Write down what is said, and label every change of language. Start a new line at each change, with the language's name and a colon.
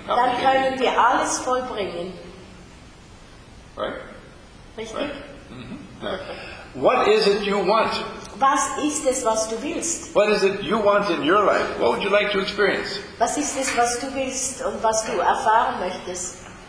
German: Dann können wir alles vollbringen.
English: Right?
German: Richtig?
English: Right. Mm-hmm. Now, what is it you want?
German: Was ist es, was du willst?
English: What is it you want in your life? What would you like to experience?
German: Was ist es, was du willst und was du erfahren möchtest?